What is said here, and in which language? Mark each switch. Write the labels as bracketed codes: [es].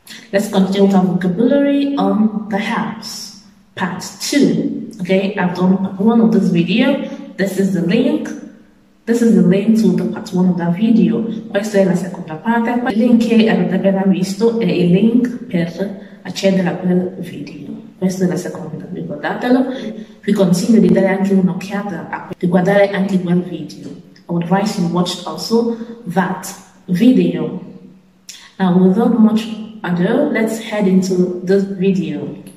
[en] Let's continue with our vocabulary on the house. Part two. Okay, I've done part one of this video. This is the link. This is the link to the part 1 of the video. [it] Questa è la seconda parte. Il link che avete appena visto è il link per accedere a quel video. Questa è la seconda, ricordatelo. Vi consiglio di dare anche un'occhiata a di guardare anche quel video. [en] I would advise you watch also that video. Now, without much ado, let's head into this video.